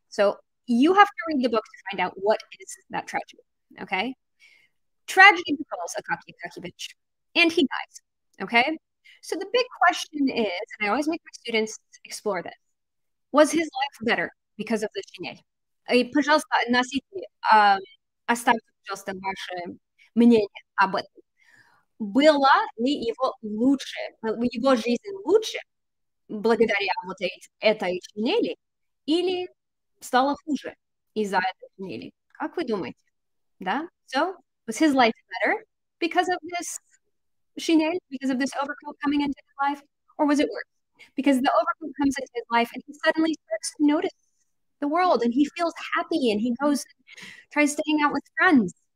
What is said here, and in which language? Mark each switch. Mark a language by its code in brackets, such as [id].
[en] So you have to read the book to find out what is that tragedy. Okay, tragedy befalls Akaki Akakievich, and he dies. Okay, so the big question is, and I always make my students explore this: was his life better because of the chenille? [ru] И пожалуйста, носите, оставьте, пожалуйста, ваше мнение об этом. Было ли его лучше, его жизнь лучше благодаря вот этой чинели, или стало хуже из-за этой чинели? Как вы думаете? Да? [en] So, was his life better because of this chinelle, because of this overcoat coming into his life? Or was it worse? Because the overcoat comes into his life and he suddenly starts to notice the world and he feels happy and he goes and tries to hang out with friends.